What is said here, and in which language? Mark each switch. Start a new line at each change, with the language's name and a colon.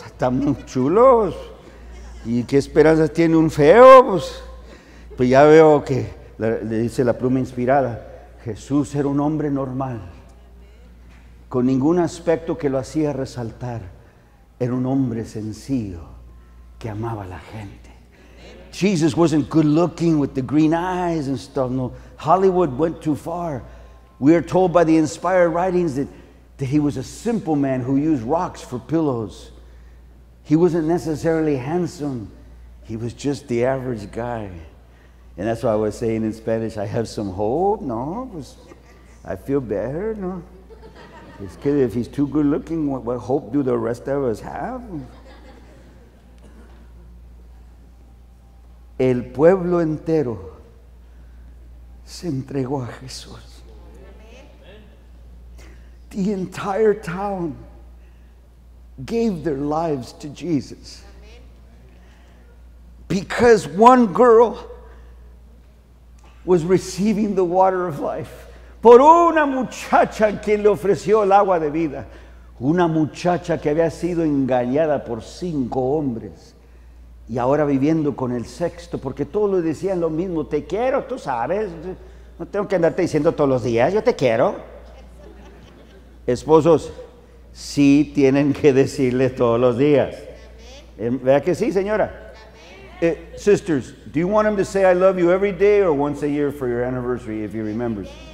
Spanish: Están muy chulos. ¿Y qué esperanzas tiene un feo? Pues ya veo que le dice la pluma inspirada. Jesús era un hombre normal, con ningún aspecto que lo hacía resaltar. Era un hombre sencillo que amaba a la gente.
English: Jesus wasn't good looking with the green eyes and stuff. No, Hollywood went too far. We are told by the inspired writings that he was a simple man who used rocks for pillows. He wasn't necessarily handsome. He was just the average guy. And that's why I was saying in Spanish, I have some hope. No, I feel better. No. It's because if he's too good looking, what hope do the rest of us have?
Spanish: El pueblo entero se entregó a Jesús.
English: The entire town gave their lives to Jesus. Because one girl was receiving the water of life.
Spanish: Por una muchacha quien le ofreció el agua de vida. Una muchacha que había sido engañada por 5 hombres. Y ahora viviendo con el sexto, porque todos le decían lo mismo. Te quiero, tú sabes. No tengo que andarte diciendo todos los días, yo te quiero. Esposos, sí tienen que decirle todos los días. ¿Vea que sí, señora?
English: Sisters, do you want him to say I love you every day or once a year for your anniversary, if he remembers?